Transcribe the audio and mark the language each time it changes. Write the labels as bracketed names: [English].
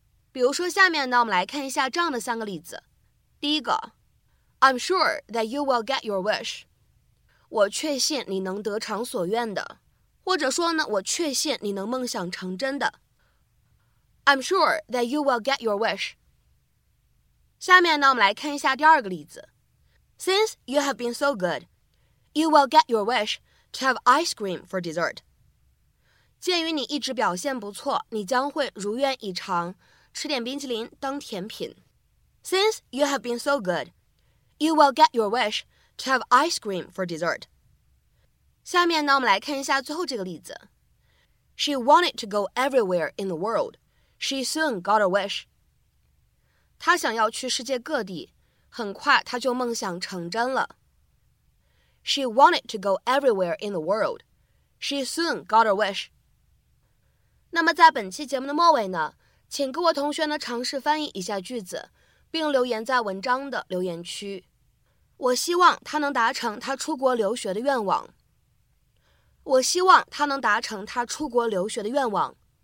[Chinese] 比如说，下面呢，我们来看一下这样的三个例子。第一个 [English] ，I'm sure that you will get your wish. [Chinese] 我确信你能得偿所愿的，或者说呢，我确信你能梦想成真的。 [English] I'm sure that you will get your wish. [Chinese] 下面呢，我们来看一下第二个例子。 [English] Since you have been so good, you will get your wish to have ice cream for dessert. [Chinese] 鉴于你一直表现不错，你将会如愿以偿，吃点冰淇淋当甜品。 [English] Since you have been so good, you will get your wish. To have ice cream for dessert. [Chinese] 下面呢，我们来看一下最后这个例子。 [English] She wanted to go everywhere in the world. She soon got her wish. [Chinese] 她想要去世界各地，很快她就梦想成真了。 [English] She wanted to go everywhere in the world. She soon got her wish. [Chinese] 那么在本期节目的末尾呢，请各位同学呢尝试翻译一下句子，并留言在文章的留言区。我希望他能达成他出国留学的愿望。我希望他能达成他出国留学的愿望。